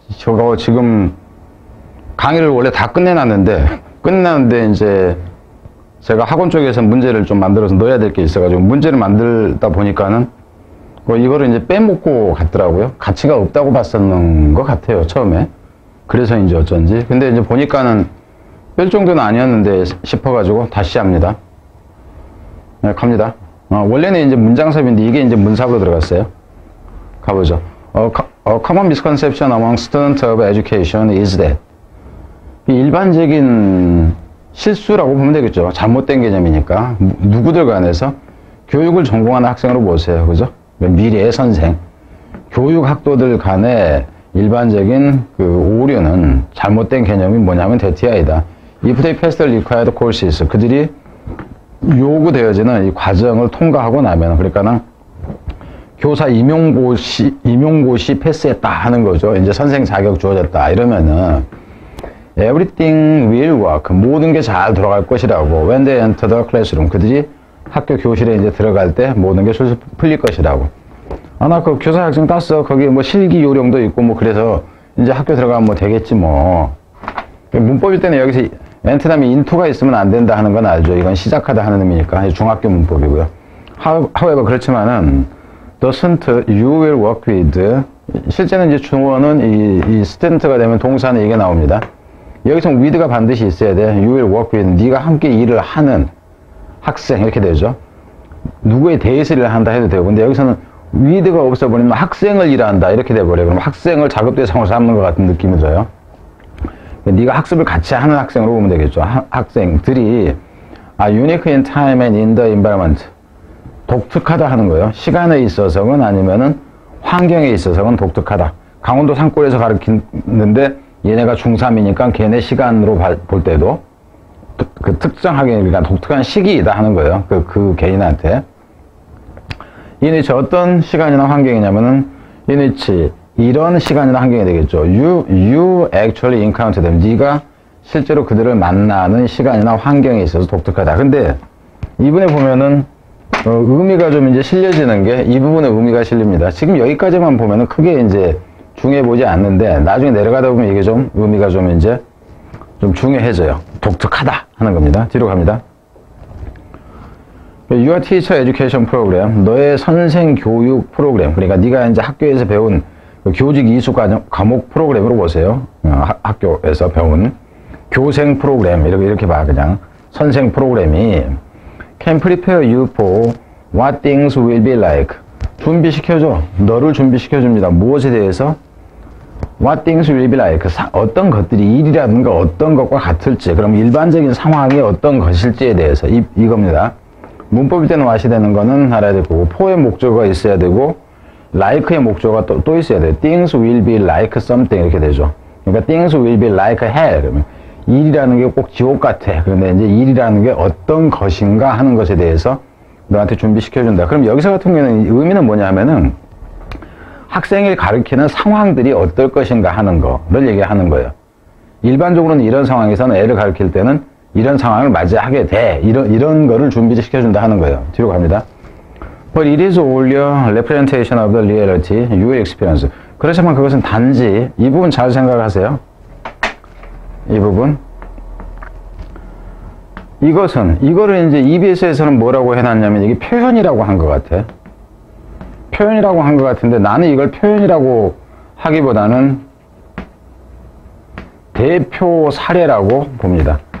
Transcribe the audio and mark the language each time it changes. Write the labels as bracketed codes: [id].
[ko] 저거 지금 강의를 원래 다 끝내놨는데 이제 제가 학원 쪽에서 문제를 좀 만들어서 넣어야 될게 있어가지고 문제를 만들다 보니까는 이거를 이제 빼먹고 갔더라고요. 가치가 없다고 봤었는 것 같아요, 처음에. 그래서 이제 어쩐지. 근데 이제 보니까는 뺄 정도는 아니었는데 싶어가지고 다시 합니다. 네, 갑니다. 원래는 이제 문장섭인데 이게 이제 문사부로 들어갔어요. 가보죠. [en] A common misconception among students of education is that. [ko] 일반적인 실수라고 보면 되겠죠. 잘못된 개념이니까. 누구들 간에서? 교육을 전공하는 학생으로 보세요. 그죠? 미래의 선생. 교육학도들 간에 일반적인 그 오류는 잘못된 개념이 뭐냐면 DTI다. [en] If they pass the required courses. [ko] 그들이 요구되어지는 이 과정을 통과하고 나면, 그러니까는 교사 임용고시 패스했다 하는 거죠. 이제 선생 자격 주어졌다. 이러면은, [en] everything will work. [ko] 모든 게잘 돌아갈 것이라고. [en] When they enter the classroom. [ko] 그들이 학교 교실에 이제 들어갈 때 모든 게 술술 풀릴 것이라고. 아, 나그 교사 학생 땄어. 거기 뭐 실기 요령도 있고 뭐 그래서 이제 학교 들어가면 뭐 되겠지 뭐. 문법일 때는 여기서 엔트 다음에 인투가 있으면 안 된다 하는 건 알죠. 이건 시작하다 하는 의미니까. 중학교 문법이고요. [en] However, [ko] 그렇지만은, [en] doesn't, you will work with. [ko] 실제는 이제 주어는 이 student가 되면 동사는 이게 나옵니다. 여기서 with가 반드시 있어야 돼. [en] You will work with. [ko] 네가 함께 일을 하는 학생. 이렇게 되죠. 누구에 대해서 일을 한다 해도 되고. 근데 여기서는 with가 없어 버리면 학생을 일한다. 이렇게 돼버려요. 그럼 학생을 작업 대상으로 삼는 것 같은 느낌이 들어요. 네가 학습을 같이 하는 학생으로 보면 되겠죠. 학생들이 아 [en] unique in time and in the environment. [ko] 독특하다 하는 거예요. 시간에 있어서건 아니면은 환경에 있어서건 독특하다. 강원도 산골에서 가르치는데 얘네가 중3이니까 걔네 시간으로 볼 때도 그 특정하게 그러니까 독특한 시기이다 하는 거예요. 그 개인한테. 이니치 어떤 시간이나 환경이냐면은 이니치 이런 시간이나 환경이 되겠죠. [en] You actually encounter them. [ko] 네가 실제로 그들을 만나는 시간이나 환경에 있어서 독특하다. 근데 이분에 보면은 의미가 좀 이제 실려지는 게이 부분의 의미가 실립니다. 지금 여기까지만 보면은 크게 이제 중요해보지 않는데 나중에 내려가다 보면 이게 좀 의미가 좀 이제 좀 중요해져요. 독특하다 하는 겁니다. 뒤로 갑니다. [en] Your teacher education program. [ko] 너의 선생 교육 프로그램. 그러니까 네가 이제 학교에서 배운 교직 이수 과목 프로그램으로 보세요. 학교에서 배운 교생 프로그램 이렇게 봐 그냥 선생 프로그램이 [en] can prepare you for what things will be like [ko] 준비시켜줘 너를 준비시켜줍니다. 무엇에 대해서 [en] what things will be like [ko] 어떤 것들이 일이라든가 어떤 것과 같을지 그럼 일반적인 상황이 어떤 것일지에 대해서 이겁니다. 문법일 때는 what이 되는 거는 알아야 되고 for의 목적어가 있어야 되고 like의 목적어가 또 있어야 돼요. [en] things will be like something [ko] 이렇게 되죠. 그러니까 [en] things will be like hell. [ko] 그러면 일이라는 게꼭 지옥 같아. 그런데 이제 일이라는 게 어떤 것인가 하는 것에 대해서 너한테 준비시켜준다. 그럼 여기서 같은 경우는 의미는 뭐냐면은 학생을 가르치는 상황들이 어떨 것인가 하는 거를 얘기하는 거예요. 일반적으로는 이런 상황에서는 애를 가르칠 때는 이런 상황을 맞이하게 돼. 이런 거를 준비시켜준다 하는 거예요. 뒤로 갑니다. [en] But it is only a representation of the reality, your experience. [ko] 그렇지만 그것은 단지, 이 부분 잘 생각하세요. 이 부분. 이것은, 이거를 이제 EBS에서는 뭐라고 해놨냐면 이게 표현이라고 한것 같아. 표현이라고 한것 같은데 나는 이걸 표현이라고 하기보다는 대표 사례라고 봅니다.